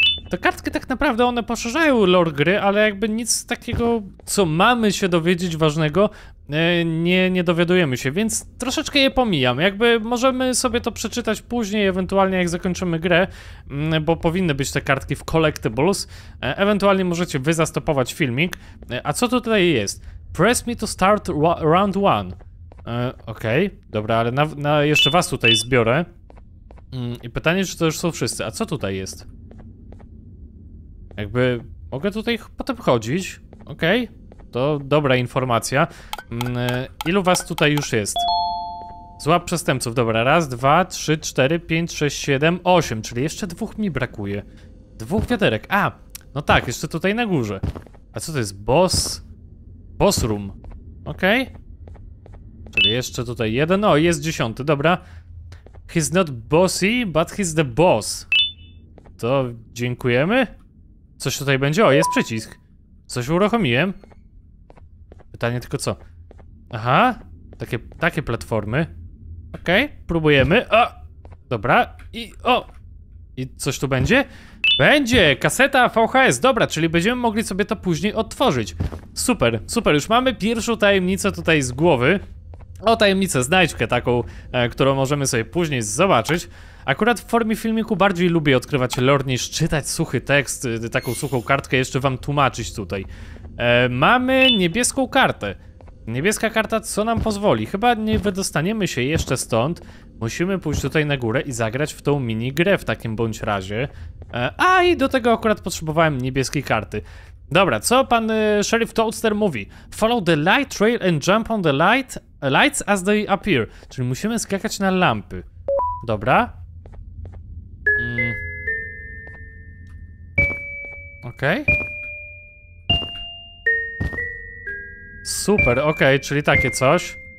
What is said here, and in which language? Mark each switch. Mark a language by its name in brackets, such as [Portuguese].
[Polish] Te kartki tak naprawdę, one poszerzają lore gry, ale jakby nic takiego, co mamy się dowiedzieć ważnego, nie dowiadujemy się, więc troszeczkę je pomijam. Jakby możemy sobie to przeczytać później, ewentualnie jak zakończymy grę, bo powinny być te kartki w collectibles. Ewentualnie możecie wy zastopować filmik. A co tutaj jest? [English] Press me to start round one. [Polish] Okej, okay, dobra, ale na jeszcze was tutaj zbiorę. I pytanie, czy to już są wszyscy. A co tutaj jest? Jakby mogę tutaj potem chodzić. Okej, okay, to dobra informacja. Ilu was tutaj już jest? Złap przestępców. Dobra, raz, dwa, trzy, cztery, pięć, sześć, siedem, osiem. Czyli jeszcze dwóch mi brakuje. Dwóch wiaderek. A, no tak, jeszcze tutaj na górze. A co to jest? Boss? Boss room. Okej. Okay. Czyli jeszcze tutaj jeden, o jest dziesiąty, dobra. [English] He's not bossy, but he's the boss. [Polish] To dziękujemy. Coś tutaj będzie, o jest przycisk. Coś uruchomiłem. Pytanie tylko co. Aha, takie platformy. Okej, okay, próbujemy. O, dobra i o. I coś tu będzie? Będzie, kaseta VHS, dobra, czyli będziemy mogli sobie to później odtworzyć. Super, super, już mamy pierwszą tajemnicę tutaj z głowy. O, tajemnicę, znajdźkę taką, którą możemy sobie później zobaczyć. Akurat w formie filmiku bardziej lubię odkrywać lore niż czytać suchy tekst, taką suchą kartkę jeszcze wam tłumaczyć tutaj. Mamy niebieską kartę. Niebieska karta, co nam pozwoli? Chyba nie wydostaniemy się jeszcze stąd. Musimy pójść tutaj na górę i zagrać w tą mini grę w takim bądź razie. A i do tego akurat potrzebowałem niebieskiej karty. Dobra, co pan Sheriff Toadster mówi? [English] Follow the light trail and jump on the light... lights as they appear. [Polish] Czyli musimy skakać na lampy. Dobra. Okej. Okay. Super, okej, okay, czyli takie coś.